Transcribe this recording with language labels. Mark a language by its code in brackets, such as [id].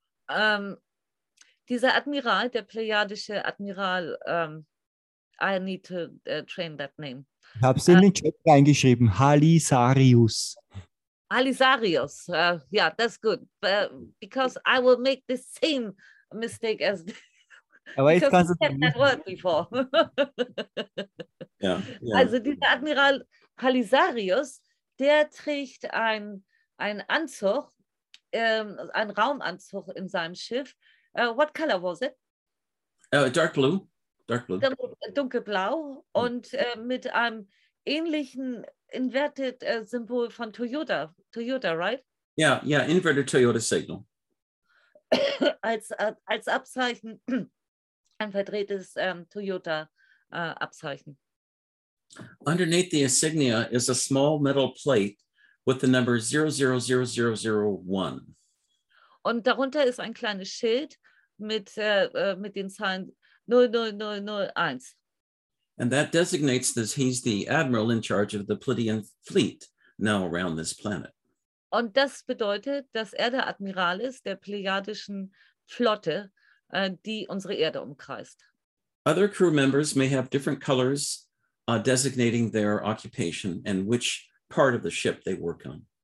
[de] Dieser Admiral, der pleiadische Admiral, [en] I need to train that name. [de] Ich habe es in den Chat reingeschrieben. Halisarius. [en] Halisarius, yeah, that's good. Because I will make the same mistake as because I've never heard that word before. Yeah. [de] Also dieser Admiral Palisarius, der trägt ein Anzug, ein Raumanzug in seinem Schiff. [en] What color was it? Dark blue. Dark blue. [de] Dunkelblau und mit einem ähnlichen inverted Symbol von Toyota. [en] Toyota, right? Yeah, inverted Toyota signal. [de] als Abzeichen, ein verdrehtes Toyota Abzeichen. [en] Underneath the insignia is a small metal plate with the number 000001. [de] Und darunter ist ein kleines Schild mit den Zahlen 00001. [en] And that designates that he's the admiral in charge of the Plutian fleet now around this planet. [de] Und das bedeutet, dass der Admiral ist der Plejadischen Flotte, die unsere Erde umkreist. [en] Other crew members may have different colors designating their occupation and which part of the ship they work on.